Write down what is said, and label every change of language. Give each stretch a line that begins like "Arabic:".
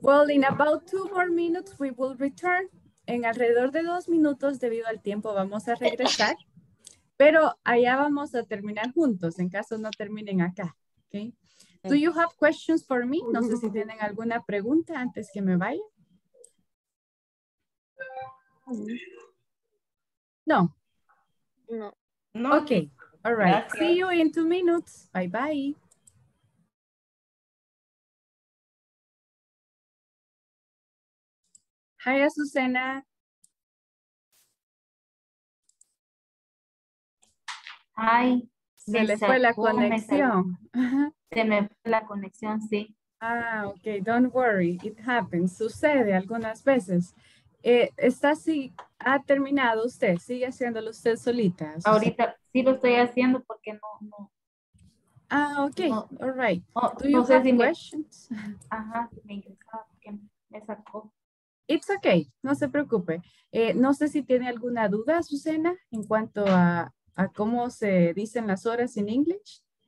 English: Well, in about 2 more minutes, we will return.
Spanish: En alrededor de 2 minutos, debido al tiempo, vamos a regresar. Pero allá vamos a terminar juntos, en caso no terminen acá. Okay.
English: Do you have questions for me?
Spanish: No sé si tienen alguna pregunta antes que me vaya. No. No.
English: Okay. All right. Gracias. See you in 2 minutes. Bye bye. Hi, Azucena. Hi.
Spanish: Se le fue la conexión. Se me fue la conexión, sí.
English: Ah, okay. Don't worry. It happens.
Spanish: Sucede algunas veces. Está así, ha terminado usted, sigue haciéndolo usted solita. Ahorita sí lo estoy haciendo porque no. Ah, ok, no,
English: all right. Do you have questions?
Spanish: Ajá, me interesa.
English: It's okay,
Spanish: no se preocupe. No sé si tiene alguna duda, Azucena, en cuanto a cómo se dicen las horas en English.